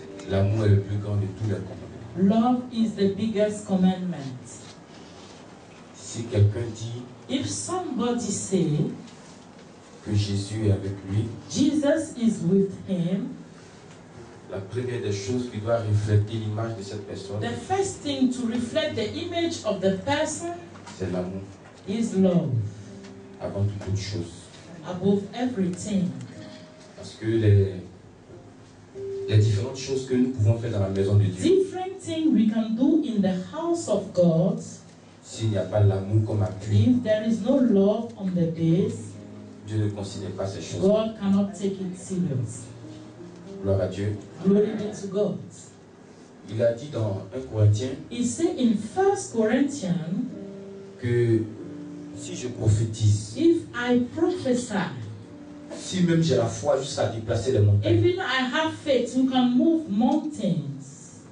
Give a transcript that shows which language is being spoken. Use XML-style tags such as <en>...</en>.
<fr>L'amour est le plus grand de tous les commandements.</fr> <en>Love is the biggest commandment.</en> <fr>Si quelqu'un dit,</fr> <en>if somebody says,</en> <fr>que Jésus est avec lui.</fr> <en>Jesus is with him.</en> <fr>La première des choses qui doit refléter l'image de cette personne.</fr> <en>The first thing to reflect the image of the person.</en> <fr>C'est l'amour.</fr> <en>Is love.</en> <fr>Avant toute chose.</fr> <en>Above everything.</en> <fr>Parce que les différentes choses que nous pouvons faire dans la maison de Dieu.</fr> <en>Different things we can do in the house of God.</en> <fr>S'il n'y a pas l'amour comme appui.</fr> <en>If there is no love on the base.</en> <fr>Dieu ne considère pas ces choses.</fr> <en>God cannot take it serious.</en> <fr>Gloire à Dieu.</fr> <en>Glory be to God.</en> <fr>Il a dit dans 1 Corinthiens.</fr> <en>He said in 1 Corinthians.</en> <fr>Que si je prophétise.</fr> <en>If I prophesy.</en> <fr>Si même j'ai la foi jusqu'à déplacer les montagnes.</fr> <en>Even I have faith who can move mountains.</en>